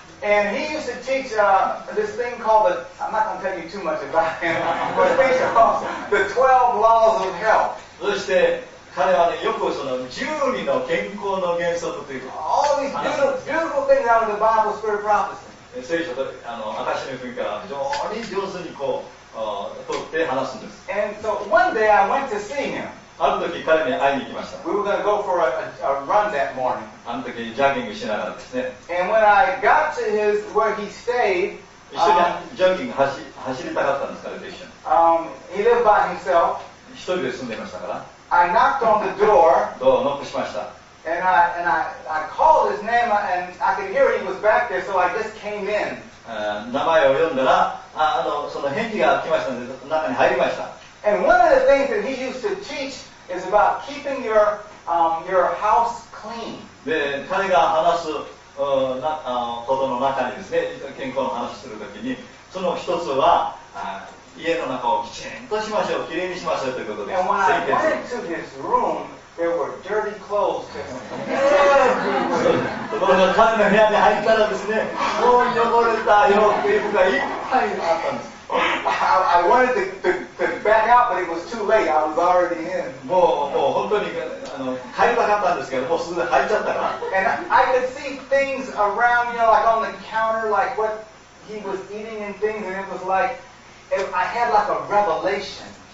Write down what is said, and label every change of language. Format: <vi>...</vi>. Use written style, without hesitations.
<en>And he used to teach this thing called the, I'm not going to tell you too much about him, but it's called the 12 laws of health.</en> <ja>そして彼はね、よくその12の健康の原則という。</ja> <en>All these beautiful things out of the Bible, spirit prophecy.</en> <ja>聖書と証しの国から非常に上手にこう、取って話すんです。</ja> <en>And so one day I went to see him.</en> <ja>ある時彼に会いに行きました。</ja> <en>We were going to go for a run that morning.</en> <ja>あの時ジョギングしながらですね。</ja> <en>And when I got to his where he stayed,</en> <ja>一緒にジョギング走りたかったんですから、一緒に。</ja> <en>He lived by himself.</en> <ja>一人で住んでましたから。</ja> <en>I knocked on the door.</en> <ja>ドアをノックしました。</ja> <en>And I called his name and I could hear he was back there, so I just came in.</en> <ja>名前を呼んだら、その返事が来ましたので中に入りました。</ja> <en>And one of the things that he used to teach is about keeping your house clean.</en> <ja>で、彼が話すことの中にですね、健康の話するときに、その一つは家の中をきちんとしましょう、きれいにしましょうということです。</ja> <en>And when I went to his room, there were dirty clothes just everywhere.</en> <ja>ところが彼の部屋に入ったらですね、もう汚れた洋服がいっぱいあったんです。</ja> <en>I wanted to back out, but it was too late. I was already in.</en> <ja>もう本当に帰りたかったんですけど、もうすぐ入っちゃったから。</ja> <en>And I could see things around, you know, like on the counter, like what he was eating and things, and it was like if I had like a revelation.</en>